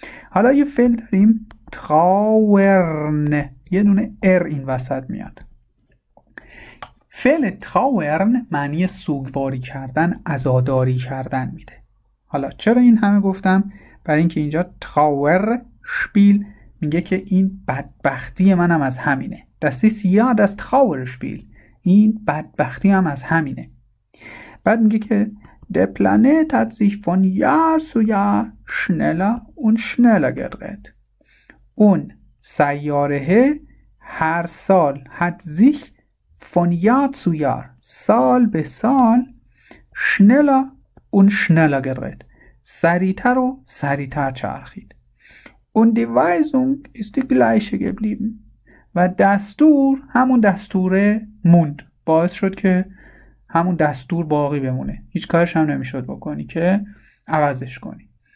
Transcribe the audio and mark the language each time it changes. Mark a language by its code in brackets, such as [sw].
[fa] حالا یه فعل داریم تراورن، یه دونه ار این وسط میاد. فعل تراورن معنی سوگواری کردن، عزاداری کردن میده. حالا چرا این همه گفتم؟ برای اینکه اینجا تراور شپیل میگه که این بدبختی منم از همینه. [de] Das ist ja das Trauerspiel. [fa] این بدبختی هم از همینه. بعد میگه که [de] der Planet hat sich von Jahr zu Jahr schneller und schneller gedreht. [fa] اون سیاره هر سال [de] hat sich von Jahr zu Jahr [fa] سال به سال [de] schneller und schneller gedreht، [fa] سریتر و سریتر چرخید. [de] und die Weisung ist die gleiche geblieben، [fa] و دستور همون دستوره موند، باعث شد که همون دستور باقی بمونه، هیچ کارش هم نمیشد بکنی که عوضش کنی.